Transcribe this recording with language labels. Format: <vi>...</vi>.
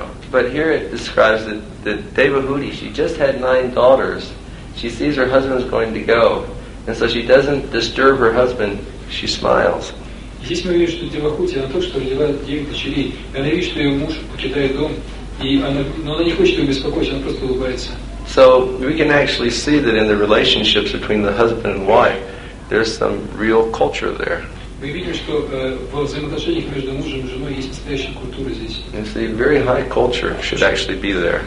<en>But here it describes that, that Devahuti, she just had 9 daughters. She sees her husband's going to go. And so she doesn't disturb her husband, she smiles.</en> <ru>Здесь мы видим, что Девахути, она только что родила 9 дочерей. Она видит, что ее муж покидает дом. И она, но она не хочет его беспокоить, она просто улыбается.</ru> <en>So we can actually see that in the relationships between the husband and wife, there's some real culture there.</en> <ru>Мы видим, что в взаимоотношениях между мужем и женой есть настоящая культура здесь.</ru> <en>It's a very high culture should actually be there.</en>